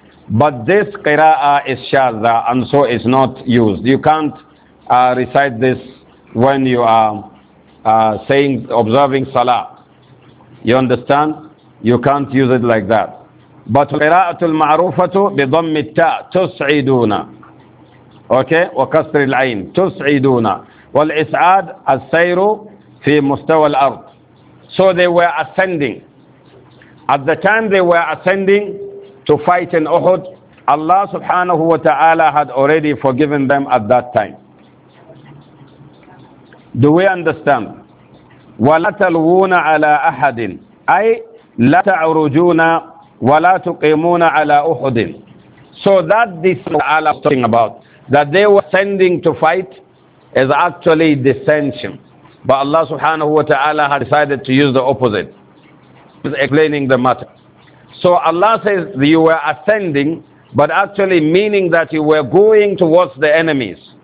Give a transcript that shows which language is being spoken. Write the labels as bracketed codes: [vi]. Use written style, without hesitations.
[en] But this قراءة is شاذة and so it's not used. You can't recite this when you are saying observing صلاة. You understand? You can't use it like that. [ar] But القراءة المعروفة بضم التاء تسعدون okay وكسر العين تسعدون والإسعاد السير في مستوى الأرض. [en] So they were ascending. At the time they were ascending to fight in Uhud, Allah [ar] سبحانه وتعالى [en] had already forgiven them at that time. Do we understand? [ar] ولا تلوون على أحد أي لا تعرجون ولا تقيمون على أحد. [en] So that this Allah is talking about, that they were sending to fight, is actually dissension. But Allah subhanahu wa ta'ala had decided to use the opposite. He's explaining the matter. So Allah says you were ascending, but actually meaning that you were going towards the enemies.